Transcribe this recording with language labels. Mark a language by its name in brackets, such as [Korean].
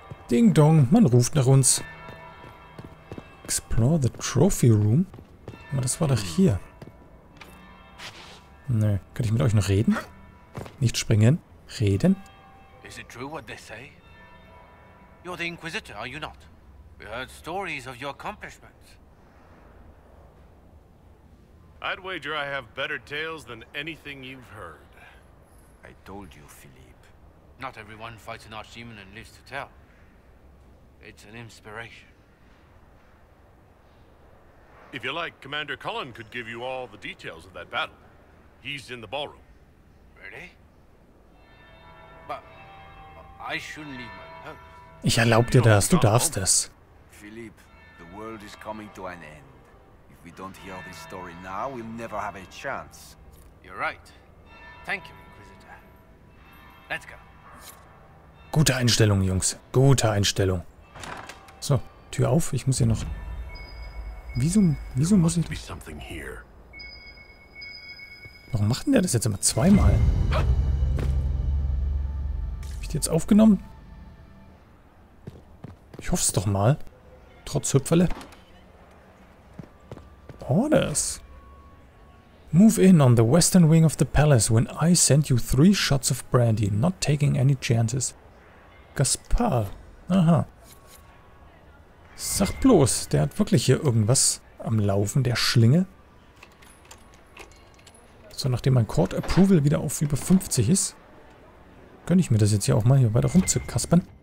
[German] Ding dong, man ruft nach uns. [English] Explore the trophy room? [German] Aber das war doch hier. Nö, kann ich mit euch noch reden? Nicht springen, reden. [English] Is it true what they say? You're the Inquisitor, are you not? We heard stories of your accomplishments. I'd wager I have better tales than anything you've heard. I told you, Philippe. Not everyone fights an archdemon and lives to tell. It's an inspiration. If you like, Commander Cullen could give you all the details of that battle. He's in the ballroom. Really? But I shouldn't leave my post. [German] Ich erlaub dir das, du darfst es. [English] Philipp, the world is coming to an end. If we don't hear this story now, we'll never have a chance. You're right. Thank you, Inquisitor. Let's go. [German] Gute Einstellung, Jungs. Gute Einstellung. So, Tür auf, ich muss hier noch. Wieso muss ich. [English] There must be something here. [German] Warum macht denn der das jetzt immer zweimal? Hab ich die jetzt aufgenommen? Ich hoffe es doch mal. Trotz Hüpferle. [English] Orders. Move in on the western wing of the palace when I send you 3 shots of brandy, not taking any chances. [German] Gaspar. Aha. Sag bloß, der hat wirklich hier irgendwas am Laufen, der Schlingel. So, nachdem mein Court Approval wieder auf über 50 ist, gönne ich mir das jetzt hier auch mal hier weiter rumzukaspern.